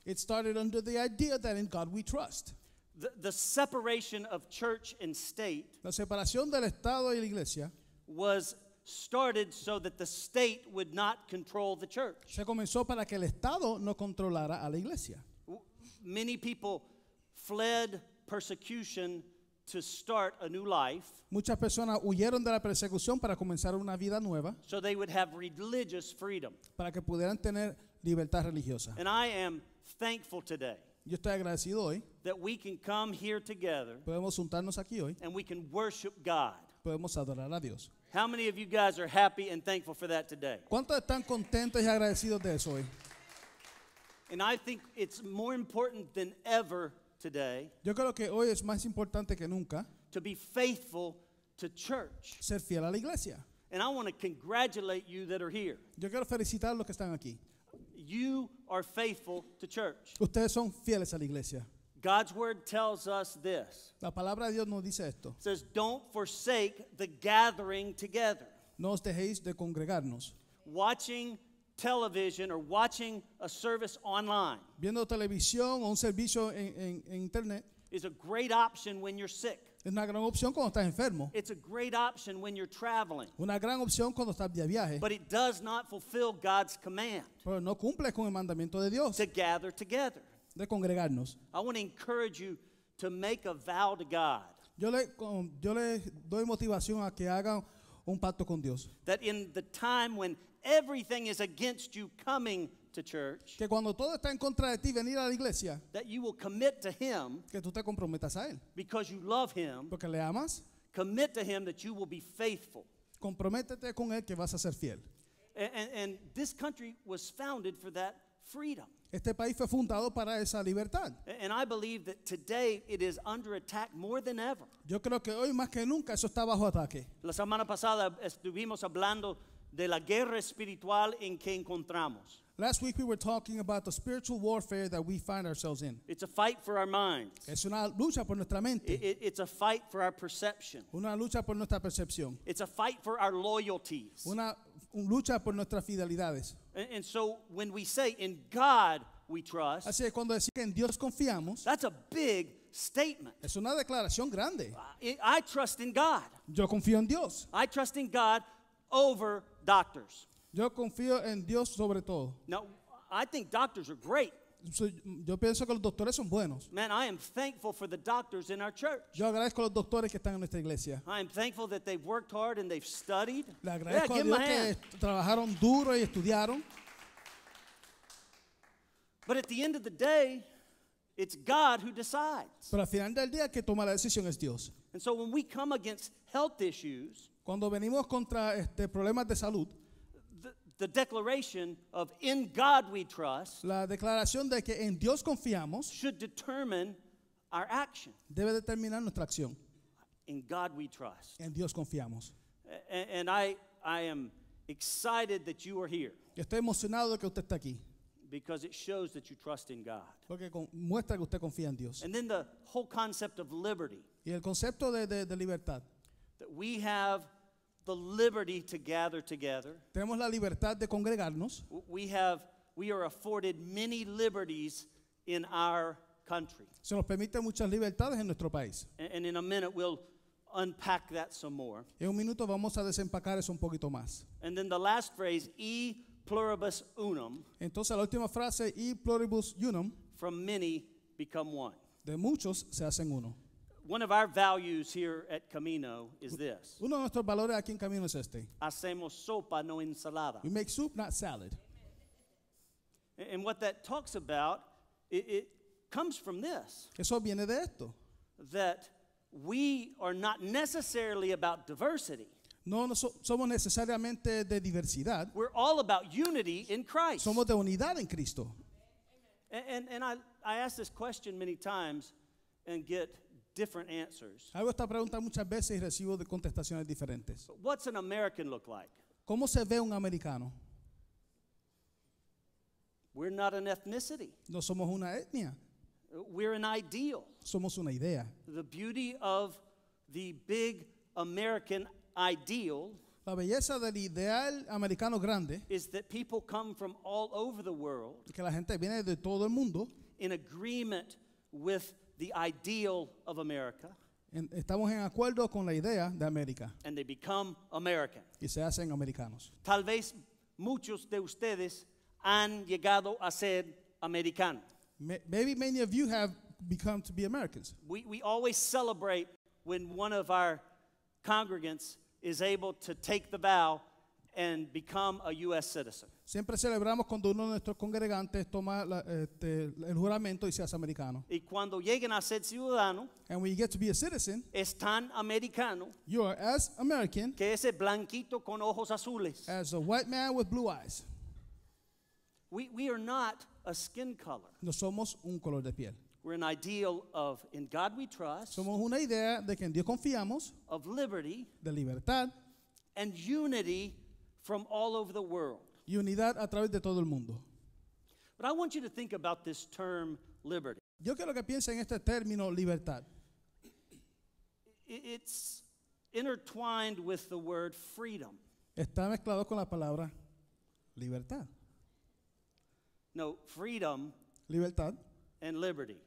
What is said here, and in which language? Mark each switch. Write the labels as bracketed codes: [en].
[en] It started under the idea that in God we trust. The separation of church and state, [es] la separación del Estado y la Iglesia, [en] was started so that the state would not control the church. [es] Se comenzó para que el Estado no controlara a la Iglesia. [en] Many people fled persecution to start a new life. [es] Muchas personas huyeron de la persecución para comenzar una vida nueva. [en] So they would have religious freedom. [es] Para que pudieran tener libertad religiosa. [en] And I am thankful today. [es] Yo estoy agradecido hoy. [en] That we can come here together. [es] Podemos juntarnos aquí hoy. [en] And we can worship God. [es] Podemos adorar a Dios. [en] How many of you guys are happy and thankful for that today? [es] ¿Cuántos están contentos y agradecidos de eso hoy? [en] And I think it's more important than ever today [es] yo creo que hoy es más importante que nunca [en] to be faithful to church. [es] Ser fiel a la iglesia. [en] And I want to congratulate you that are here. [es] Yo quiero felicitar a los que están aquí. [en] You are faithful to church. [es] Ustedes son fieles a la iglesia. [en] God's word tells us this. [es] La palabra de Dios nos dice esto. [en] It says, don't forsake the gathering together. [es] No os dejéis de congregarnos. [en] Watching television or watching a service online. [es] Viendo televisión o un servicio en internet. [en] Is a great option when you're sick. [es] Es una gran opción cuando estás enfermo. [en] It's a great option when you're traveling. [es] Una gran opción cuando estás de viaje. [en] But it does not fulfill God's command. [es] Pero no cumple con el mandamiento de Dios. [en] To gather together. [es] De congregarnos. [en] I want to encourage you to make a vow to God. [es] Yo le doy motivación a que hagan un pacto con Dios. [en] That in the time when everything is against you coming to church, [es] que cuando todo está en contra de ti venir a la iglesia, [en] that you will commit to him, [es] que tú te comprometas a él, [en] because you love him, [es] porque le amas, [en] commit to him that you will be faithful, [es] comprométete con él que vas a ser fiel. [en] And this country was founded for that freedom. [es] Este país fue fundado para esa libertad. [en] And I believe that today it is under attack more than ever. [es] Yo creo que hoy más que nunca eso está bajo ataque. La semana pasada estuvimos hablando de la guerra espiritual en que encontramos. [en] Last week we were talking about the spiritual warfare that we find ourselves in. It's a fight for our minds. [es] Es una lucha por nuestra mente. [en] It's a fight for our perception. [es] Una lucha por nuestra percepción. [en] It's a fight for our loyalties. [es] Una lucha por nuestras fidelidades. [en] And so when we say in God we trust, [es] así es cuando decimos que en Dios confiamos, [en] that's a big statement. [es] Es una declaración grande. [en] I trust in God. [es] Yo confío en Dios. [en] I trust in God over doctors. [es] Yo confío en Dios sobre todo. [en] Now, I think doctors are great. [es] Yo pienso que los doctores son buenos. [en] Man, I am thankful for the doctors in our church. [es] Yo agradezco a los doctores que están en nuestra iglesia. [en] I am thankful that they've worked hard and they've studied. [es] Le agradezco a Dios que trabajaron duro y estudiaron. [en] But at the end of the day, it's God who decides. [es] Pero al final del día, el que toma la decisión es Dios. [en] And so when we come against health issues, [es] cuando venimos contra problemas de salud, [en] the declaration of in God we trust, [es] la declaración de que en Dios confiamos, [en] should determine our action. [es] Debe determinar nuestra acción. [en] In God we trust. [es] En Dios confiamos. [en] And I am excited that you are here. [es] Estoy emocionado de que usted está aquí. [en] Because it shows that you trust in God. [es] Porque muestra que usted confía en Dios. [en] And then the whole concept of liberty. [es] Y el concepto de libertad. [en] That we have the liberty to gather together. [es] Tenemos la libertad de congregarnos. [en] We are afforded many liberties in our country. [es] Se nos permite muchas libertades en nuestro país. [en] And in a minute we'll unpack that some more. [es] En un minuto vamos a desempacar eso un poquito más. [en] And then the last phrase, [la] e pluribus unum. [es] Entonces la última frase, [la] e pluribus unum. [en] From many become one. [es] De muchos se hacen uno. [en] One of our values here at Camino is this. [es] Uno de nuestros valores aquí en Camino es este. Hacemos sopa, no ensalada. [en] We make soup, not salad. And what that talks about, it comes from this. [es] Eso viene de esto. [en] That we are not necessarily about diversity. [es] No somos necesariamente de diversidad. [en] We're all about unity in Christ. [es] Somos de unidad en Cristo. [en] And I ask this question many times and get different answers. [es] Hago esta pregunta muchas veces y recibo de contestaciones diferentes. [en] What's an American look like? [es] ¿Cómo se ve un americano? [en] We're not an ethnicity. [es] No somos una etnia. [en] We're an ideal. [es] Somos una idea. [en] The beauty of the big American ideal. [es] La belleza del ideal americano grande. [en] Is that people come from all over the world. [es] Que la gente viene de todo el mundo. [en] In agreement with the ideal of America. [es] Estamos en acuerdo con la idea de América. [en] And they become American. [es] Y se hacen americanos. Tal vez muchos de ustedes han llegado a ser americanos. [en] Maybe many of you have become to be Americans. We always celebrate when one of our congregants is able to take the vow and become a U.S. citizen. [es] Siempre celebramos cuando uno de nuestros congregantes toma el juramento y se hace americano. Y cuando lleguen a ser ciudadano, [en] and when you get to be a citizen, [es] es tan americano, [en] you are as American, [es] que ese blanquito con ojos azules, [en] as a white man with blue eyes. We are not a skin color. [es] No somos un color de piel. [en] We're an ideal of in God we trust. [es] Somos una idea de que en Dios confiamos. [en] Of liberty. [es] De libertad. [en] And unity from all over the world. [es] Y unidad a través de todo el mundo. [en] But I want you to think about this term liberty. [es] Yo quiero que piensen en este término libertad. [en] It's intertwined with the word freedom. [es] Está mezclado con la palabra libertad. [en] No, freedom. [es] Libertad. [en] And liberty.